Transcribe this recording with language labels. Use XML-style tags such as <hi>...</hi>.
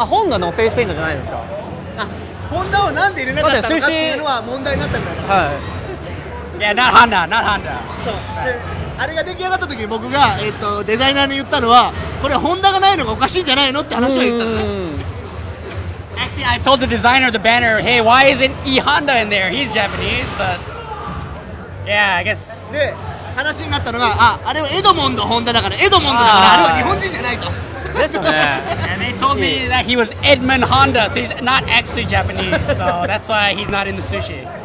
<ja>あ、ホンダのフェイスペイントじゃないですか。ホンダはなんで入れなかったのかっていうのは問題になったみたいな。はい。</ja> <en>いや、not Honda, not Honda.</en> <ja>そう。あれが出来上がった時に僕が、デザイナーに言ったのはこれホンダがないのがおかしいんじゃないのって話を言ったんだ。</ja> <en>Actually, I told the designer of the banner, hey, why isn't E Honda in there? He's Japanese, but yeah, I guess.</en> <ja>で、話になったのが、あれはエドモンドホンダだから、エドモンドだから、あれは日本人じゃないと。</ja> <en>Yeah. And they told me that he was Edmund Honda, so he's not actually Japanese, so that's why he's not in the sushi.</en>